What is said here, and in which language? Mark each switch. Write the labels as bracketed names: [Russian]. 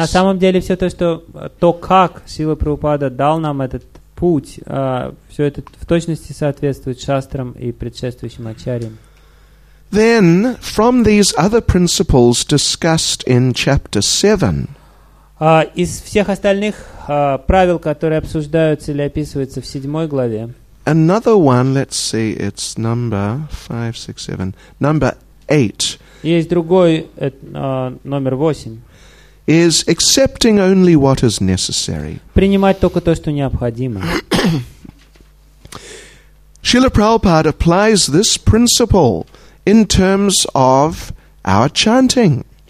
[Russian] На самом деле все то, что то, как Шрила Прабхупада дал нам этот путь, все это в точности соответствует шастрам и предшествующим ачарьям. [English] Then, from these other principles discussed in chapter 7, [Russian] из всех остальных правил, которые обсуждаются или описываются в 7 главе, [English] another one, let's see, it's number 5, 6, 7, number 8, [Russian] есть другой, номер 8, [English] is accepting only what is necessary. [Russian] Принимать только то, что необходимо. [English] Srila Prabhupada applies this principle in terms of our chanting.